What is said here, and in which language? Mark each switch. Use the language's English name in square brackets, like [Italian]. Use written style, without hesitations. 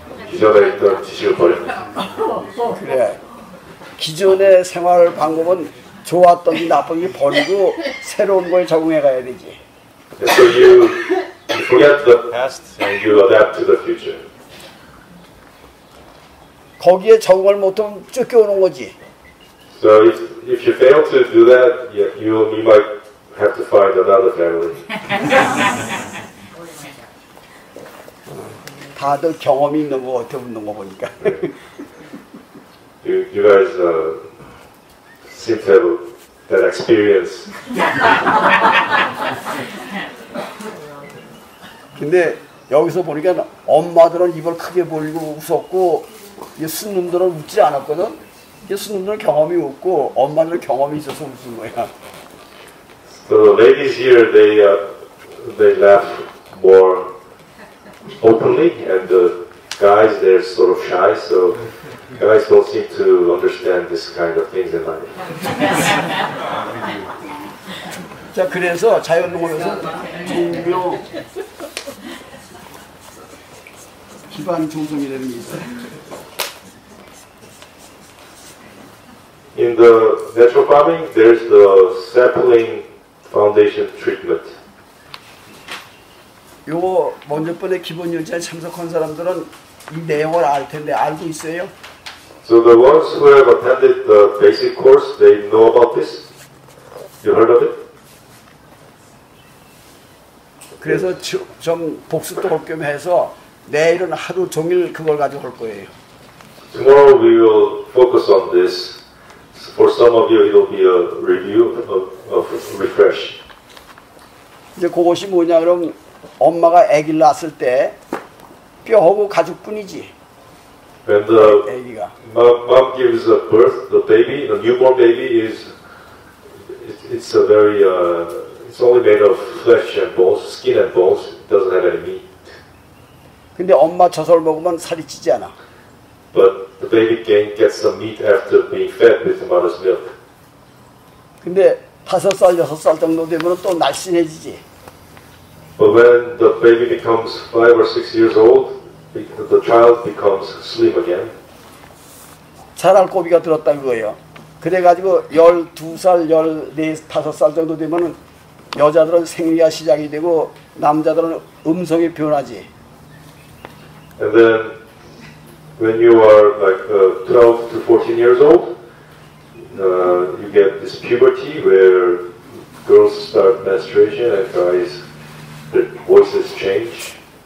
[Korean] 기존에 있던 지식을 버리고. 그래. 기존의 생활 방법은 좋았던 게 나쁜 게 버리고 새로운 걸 적응해 가야 되지. [English] Yeah, so you forget the past and you adapt to the future. [Korean] 거기에 적응을 못하면 쫓겨오는 거지. [English] So if you fail to do that, you might have to find another family. [Korean] 다들 경험이 있는 거 어떻게 묻는 거 보니까. [English] You guys seem to have that experience. [Korean] 근데 여기서 보니까 엄마들은 입을 크게 벌리고 웃었고 스님들은 웃지 않았거든? 스님들은 경험이 없고 엄마들은 경험이 있어서 웃은 거야. [English] So the ladies here, they laugh more openly, and the guys, they're sort of shy, so guys don't seem to understand this kind of things in life. [Korean] 자 그래서 자연 농업에서 종묘 기반 조성이라는 게 있어요. [English] In the natural farming, there's the sapling foundation treatment. [Korean] 요거 먼저번에 기본 요지에 참석한 사람들은 이 내용을 알 텐데 알고 있어요? [English] So the ones who have attended the basic course, they know about this. You heard of it? [Korean] 그래서 좀 복습도 할 겸 해서 내일은 하루 종일 그걸 가지고 할 거예요. [English] Tomorrow we will focus on this. For some of you, it'll be a review of refresh. [Korean] 이제 그것이 뭐냐 그럼 엄마가 아기를 낳았을 때 뼈하고 가죽뿐이지. [English] When the [Korean] 애기가. [English] Mom gives a birth, the baby, the newborn baby is it's a very it's only made of flesh and bones, skin and bones. It doesn't have any meat. [Korean] 근데 엄마 젖을 먹으면 살이 찌지 않아. [English] But the baby can get some meat after being fed with the mother's milk. [Korean] 근데 다섯 살 여섯 살 정도 되면 또 날씬해지지. [English] But when the baby becomes 5 or 6 years old, the child becomes slim again. [Korean] 자랄 고비가 들었다 이거예요. 그래가지고 12살, 15살 정도 되면은 여자들은 생리가 시작이 되고 남자들은 음성이 변하지. [English] And then when you are like 12 to 14 years old, you get this puberty where girls start menstruation and guys, their voices change.